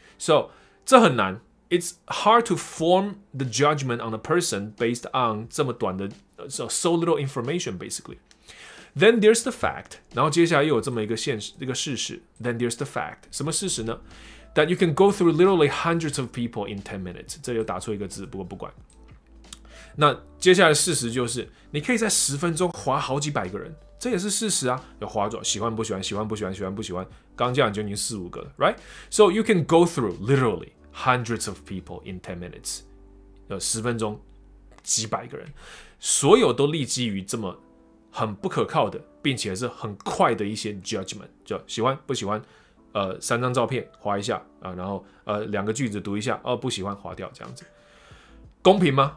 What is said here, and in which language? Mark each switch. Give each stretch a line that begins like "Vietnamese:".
English: So
Chinese: 这很难
English: ，It's hard to form the judgment on a person based on
Chinese: 这么短的
English: so little information basically. Then there's the fact，
Chinese: 然后接下来又有这么一个事实 ，Then there's the fact， 什么事实呢？
English: That you can go through literally hundreds of people in 10 minutes.
Chinese: 这又打错一个字，不过不管。那接下来的事实就是，你可以在十分钟滑好几百个人，这也是事实啊。要滑左，喜欢不喜欢，喜欢不喜欢，喜欢不喜欢，刚这样就已经四五个了 ，right?
English: So you can go through literally hundreds of people in 10 minutes.
Chinese: 十分钟几百个人，所有都立基于这么很不可靠的，并且是很快的一些 judgment， 就喜欢不喜欢。三张照片划一下、然后两个句子读一下，不喜欢划掉，这样子公平吗？